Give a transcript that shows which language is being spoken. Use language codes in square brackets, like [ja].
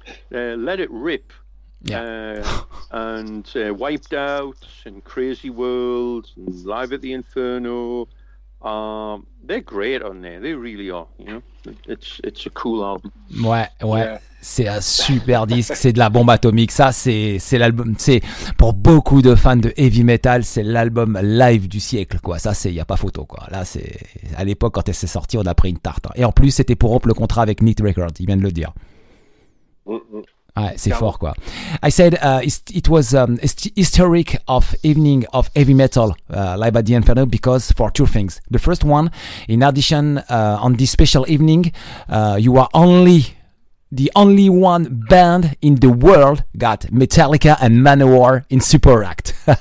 [en] Let It Rip. Wiped Out and Crazy World and Live at the Inferno, they're great on there. They really are. You know, it's a cool album. [fr] Ouais. C'est un super disque. C'est de la bombe atomique. Ça, c'est l'album. C'est pour beaucoup de fans de heavy metal, c'est l'album live du siècle, quoi. Ça, c'est, y a pas photo, quoi. Là, c'est à l'époque quand elle s'est sortie, on a pris une tarte. Et en plus, c'était pour rompre le contrat avec Neat Records. Il vient de le dire. Ouais, c'est fort, quoi. [en] I said it was historic of evening of heavy metal live at the Inferno, because for two things. The first one, in addition, on this special evening, you are the only one band in the world got Metallica and Manowar in Super Act.